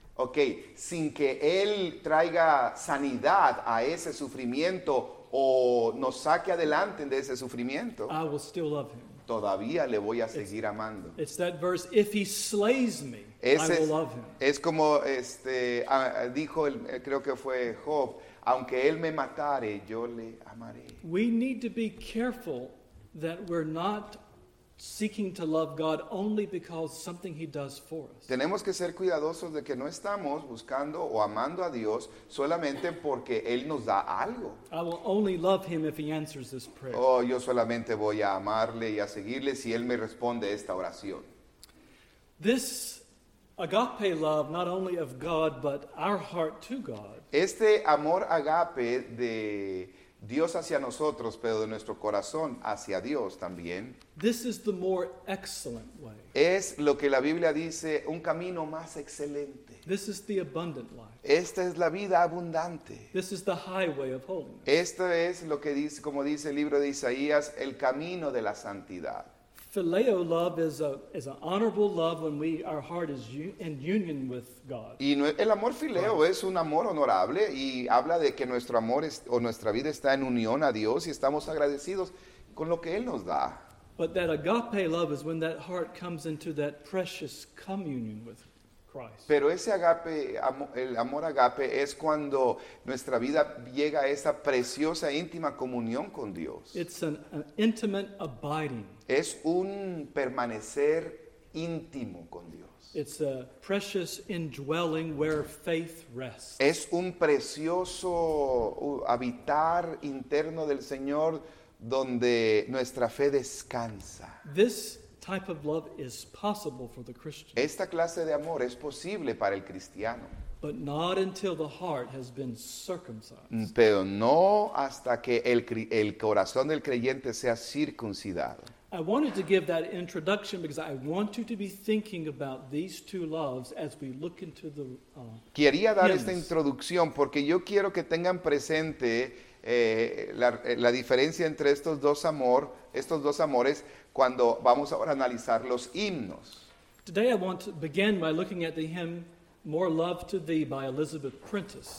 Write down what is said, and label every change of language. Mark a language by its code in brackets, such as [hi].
[es] Okay, sin que él traiga sanidad a ese sufrimiento o nos saque adelante de ese sufrimiento. [en] I will still love him. [es] Todavía le voy a seguir amando. [en] It's that verse, if he slays me, I will love him. [es] Es como dijo el, creo que fue Job, aunque él me matare, yo le amaré. [en] We need to be careful that we're not seeking to love God only because something he does for us. [es] Tenemos que ser cuidadosos de que no estamos buscando o amando a Dios solamente porque él nos da algo. [en] I will only love him if he answers this prayer. [es] Oh, yo solamente voy a amarle y a seguirle si él me responde esta oración. [en] This agape love, not only of God, but our heart to God. [es] Este amor agape de Dios hacia nosotros, pero de nuestro corazón hacia Dios también. [en] This is the more excellent way. [es] Es lo que la Biblia dice, un camino más excelente. [en] This is the abundant life. [es] Esta es la vida abundante. [en] This is the highway of holiness. [es] Esto es lo que dice, como dice el libro de Isaías, el camino de la santidad. [en] Phileo love is an honorable love when our heart is in union with God. [es] Y el amor fileo es un amor honorable y habla de que nuestro amor es, o nuestra vida está en unión a Dios y estamos agradecidos con lo que Él nos da. [en] But that agape love is when that heart comes into that precious communion with Christ. [es] Pero ese agape, el amor agape es cuando nuestra vida llega a esa preciosa íntima comunión con Dios. [en] It's an intimate abiding. [es] Es un permanecer íntimo con Dios. [en] It's a precious indwelling where faith rests. [es] Es un precioso habitar interno del Señor donde nuestra fe descansa. [en] This type of love is possible for the Christian. [es] Esta clase de amor es posible para el cristiano. [en] But not until the heart has been circumcised. [es] Pero no hasta que el corazón del creyente sea circuncidado. [en] I wanted to give that introduction because I want you to be thinking about these two loves as we look into the [es] Quería dar esta introducción porque yo quiero que tengan presente la diferencia entre estos dos amores cuando vamos ahora a analizar los himnos. [en] Today I want to begin by looking at the hymn More Love to Thee by Elizabeth Prentice.